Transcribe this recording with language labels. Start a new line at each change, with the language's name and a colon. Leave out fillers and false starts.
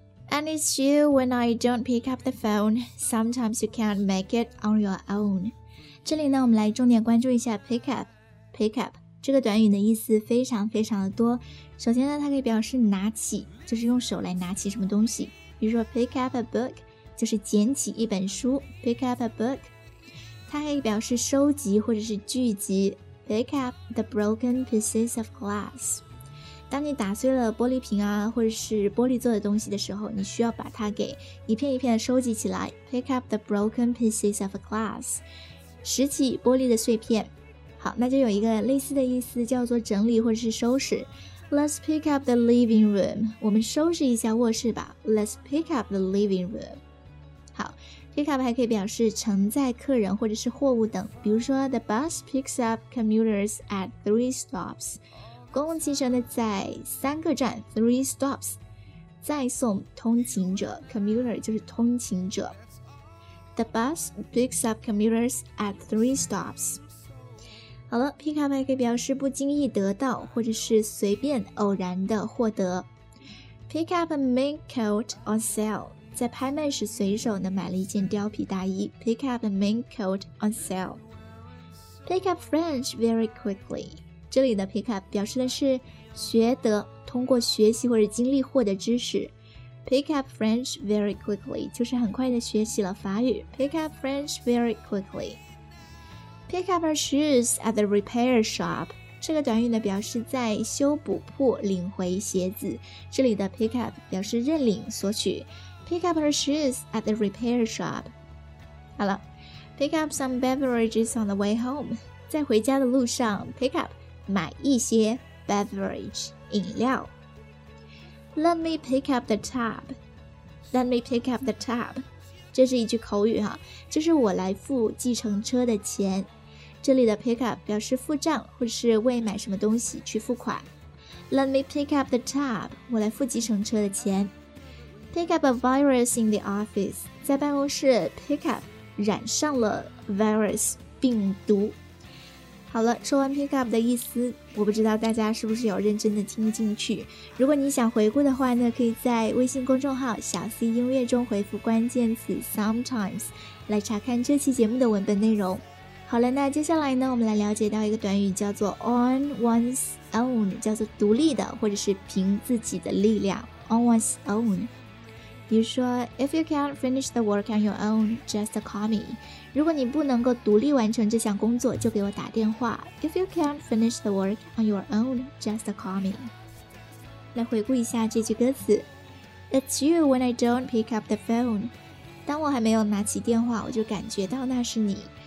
English: And it's you when I don't pick up the phone, sometimes you can't make it on your own.
Chinese: 这里呢，我们来重点关注一下 pick up. Pick up 这个短语的意思非常非常的多。首先呢，它可以表示拿起，就是用手来拿起什么东西。比如说
English: pick up a book
Chinese: 就是捡起一本书， pick up a book. 它可以表示收集或者是聚集，
English: pick up the broken pieces of glass.
Chinese: 当你打碎了玻璃瓶啊，或者是玻璃做的东西的时候，你需要把它给一片一片的收集起来。
English: Pick up the broken pieces of a glass，
Chinese: 拾起玻璃的碎片。好，那就有一个类似的意思，叫做整理或者是收拾。
English: Let's pick up the living room，
Chinese: 我们收拾一下卧室吧。
English: Let's pick up the living room。
Chinese: 好 ，pick up 还可以表示承载客人或者是货物等，比如说
English: the bus picks up commuters at 3 stops。
Chinese: 公共汽车呢在三个站 3 stops 载送通勤者， commuter 就是通勤者。
English: The bus picks up commuters at 3 stops。
Chinese: 好了， pick up 还可以表示不经意得到或者是随便偶然的获得。
English: Pick up a mink coat on sale，
Chinese: 在拍卖时随手呢买了一件貂皮大衣。
English: Pick up a mink coat on sale。 Pick up French very quickly，
Chinese: 这里的 pick up 表示的是学得，通过学习或者经历获得知识。
English: Pick up French very quickly
Chinese: 就是很快的学习了法语。
English: Pick up French very quickly。 Pick up her shoes at the repair shop，
Chinese: 这个短语呢表示在修补铺领回鞋子，这里的 pick up 表示认领索取。
English: Pick up her shoes at the repair shop。 好了， Pick up some beverages on the way home，
Chinese: 在回家的路上
English: pick up
Chinese: 买一些
English: beverage 饮料。 Let me pick up the tab. Let me pick up the tab.
Chinese: 这是一句口语哈，就是我来付计程车的钱。这里的 pick up 表示付账或者是为买什么东西去付款。
English: Let me pick up the tab，
Chinese: 我来付计程车的钱。
English: Pick up a virus in the office，
Chinese: 在办公室
English: pick up
Chinese: 染上了
English: virus 病毒。
Chinese: 好了，说完 pick up 的意思，我不知道大家是不是有认真的听进去。如果你想回顾的话呢，可以在微信公众号小 C 音乐中回复关键词 sometimes 来查看这期节目的文本内容。好了，那接下来呢，我们来了解到一个短语叫做 on one's own， 叫做独立的或者是凭自己的力量， on one's own。比如说
English: If you can't finish the work on your own, just call me，
Chinese: 如果你不能够独立完成这项工作就给我打电话。
English: If you can't finish the work on your own, just call me。
Chinese: 来回顾一下这句歌词。
English: It's you when I don't pick up the phone，
Chinese: 当我还没有拿起电话我就感觉到那是你。